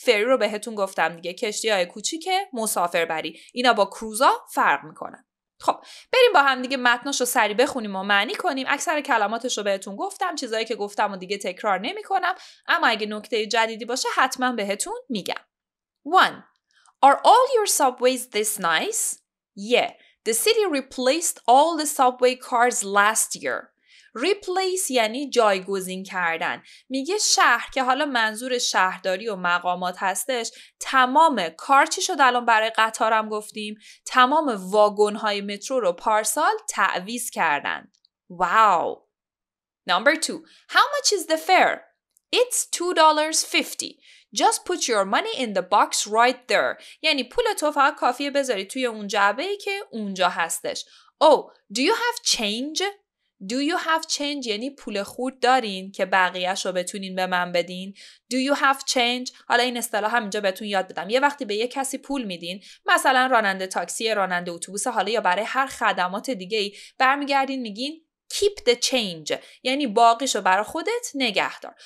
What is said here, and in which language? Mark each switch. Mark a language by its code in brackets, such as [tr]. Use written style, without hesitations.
[fa] فری رو بهتون گفتم دیگه، کشتی های کوچیک مسافربری. اینا با کروزا فرق میکنن. خب بریم با هم دیگه متناش رو سری بخونیم و معنی کنیم. اکثر کلماتش رو بهتون گفتم، چیزایی که گفتم و دیگه تکرار نمیکنم، اما اگه نکته جدیدی باشه حتما بهتون میگم. [en] 1. Are all your subways this nice? Yeah. The city replaced all the subway cars last year. [fa] Replace یعنی جایگزین کردن. میگه شهر که حالا منظور شهرداری و مقامات هستش، تمام کار چی شد الان برای قطارم گفتیم؟ تمام واگن‌های مترو رو پارسال تعویض کردن. [en] Wow. Number 2. How much is the fare? It's $2.50. Just put your money in the box right there. [fa] یعنی پول تو فقط کافیه بذاری توی اون جعبه‌ای که اونجا هستش. [en] Do you have change? Do you have change [fa] یعنی پول خورد دارین که بقیهش رو بتونین به من بدین؟ [en] Do you have change؟ [fa] حالا این اصطلاح هم اینجا بهتون یاد بدم. یه وقتی به یه کسی پول میدین، مثلا راننده تاکسی، راننده اتوبوس، حالا یا برای هر خدمات دیگه ای، برمیگردین میگین [en] keep the change [fa] یعنی باقیشو برای خودت نگه دار.